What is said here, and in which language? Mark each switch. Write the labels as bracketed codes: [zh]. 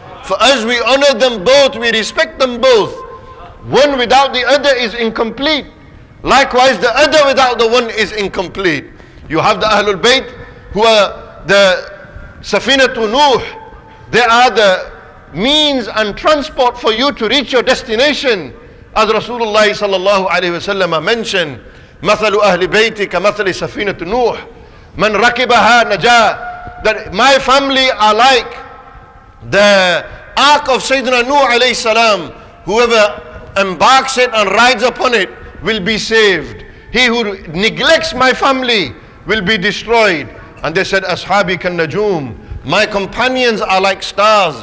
[en] For us, we honor them both, we respect them both. One without the other is incomplete. Likewise, the other without the one is incomplete. You have the Ahlul Bayt, who are the Safinatu Nuh. They are the means and transport for you to reach your destination. As Rasulullah sallallahu alayhi wa sallam mentioned, [ar] مَثَلُ أَهْلِ بَيْتِكَ مَثَلِ سَفِينَةُ نُوحٍ مَنْ رَكِبَهَا نَجَا. [en] That my family are like the ark of Sayyidina Nuh alayhi salam. Whoever embarks it and rides upon it will be saved. He who neglects my family will be destroyed. And they said, [ar] أَصْحَابِ كَالنَّجُومِ. [en] My companions are like stars.